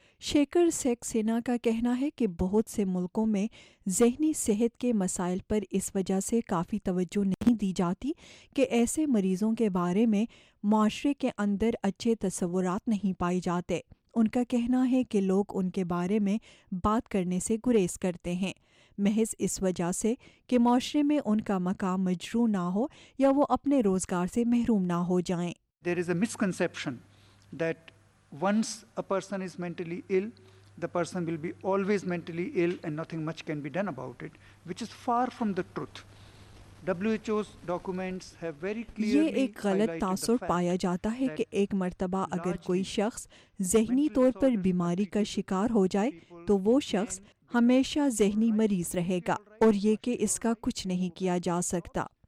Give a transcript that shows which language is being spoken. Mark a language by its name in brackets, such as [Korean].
[Urdu] شیکر سیکسینا کا کہنا ہے کہ بہت سے ملکوں میں ذہنی صحت کے مسائل پر اس وجہ سے کافی توجہ نہیں دی جاتی کہ ایسے مریضوں کے بارے میں معاشرے کے اندر اچھے تصورات نہیں پائے جاتے۔ ان کا کہنا ہے کہ لوگ ان کے بارے میں بات کرنے سے گریز کرتے ہیں، محض اس وجہ سے کہ معاشرے میں ان کا مقام مجروح نہ ہو یا وہ اپنے روزگار سے محروم نہ ہو جائیں۔ [English] There is a misconception that once a person is mentally ill, the person will be always mentally ill and nothing much can be done about it, which is far from the truth. [Urdu] یہ ایک غلط تاثر پایا جاتا ہے کہ ایک مرتبہ اگر کوئی شخص ذہنی طور پر بیماری کا شکار ہو جائے تو وہ شخص ہمیشہ ذہنی مریض رہے گا اور یہ کہ اس کا کچھ نہیں کیا جا سکتا.